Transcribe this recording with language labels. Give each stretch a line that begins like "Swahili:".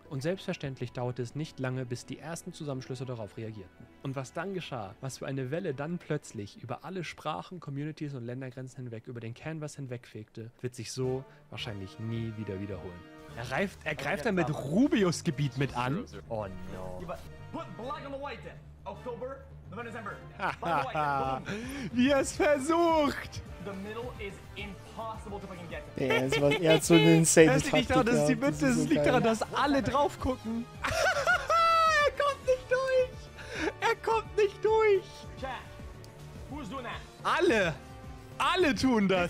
German: Und selbstverständlich dauerte es nicht lange, bis die ersten Zusammenschlüsse darauf reagierten. Und was dann geschah, was für eine Welle dann plötzlich über alle Sprachen, Communities und Ländergrenzen hinweg, über den Canvas hinwegfegte, wird sich so wahrscheinlich nie wieder wiederholen. Er greift dann mit Rubius Gebiet mit an.
English: Oh no. Put black on the white then. October, November, December.
German: Wie er es versucht.
English: The middle is impossible to fucking get to.
German: Ja, war, er hat so eine insane Taktik. Das liegt daran, dass die Mitte, das liegt daran, dass alle drauf gucken. Er kommt nicht durch. Er kommt nicht durch.
English: Chat, who's doing that?
German: Alle tun das.